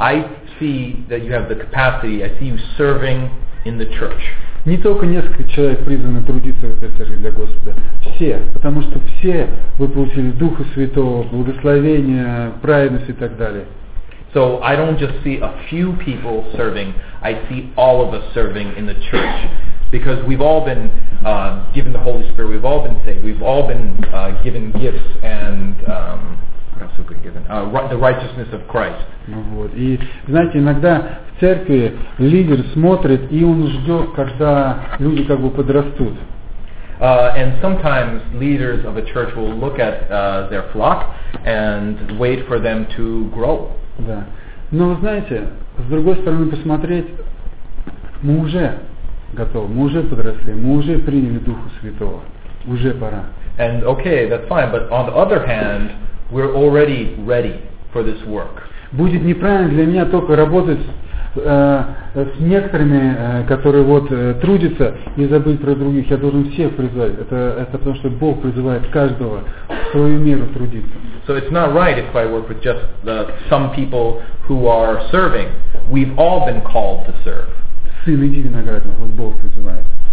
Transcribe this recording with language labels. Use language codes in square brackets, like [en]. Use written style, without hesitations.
[en] I see that you have the capacity. I see you serving in the church. [ru] Не только несколько человек призваны трудиться в этой церкви для Господа. Все, потому что все вы получили Духа Святого, благословение, праведность и так далее. [en] So I don't just see a few people serving. I see all of us serving in the church. Because we've all been given the Holy Spirit, we've all been saved, we've all been given gifts and what else have we given? The righteousness of Christ. [ru] Ну вот. И знаете, иногда в церкви лидер смотрит, и он ждет, когда люди как бы подрастут. [en] And sometimes leaders of a church will look at their flock and wait for them to grow. [ru] Да. Но знаете, с другой стороны посмотреть, мы уже готовы, мы уже подросли, мы уже приняли Духа Святого, уже пора. [en] And okay, that's fine, but on the other hand, we're already ready for this work. [ru] Будет неправильно для меня только работать с некоторыми, которые вот трудятся, и забыть про других. Я должен всех призвать. Это потому, что Бог призывает каждого в свою меру трудиться. [en] So it's not right if I work with just some people who are serving. We've all been called to serve. [ru] Сын, иди виноградник, вот Бог призывает.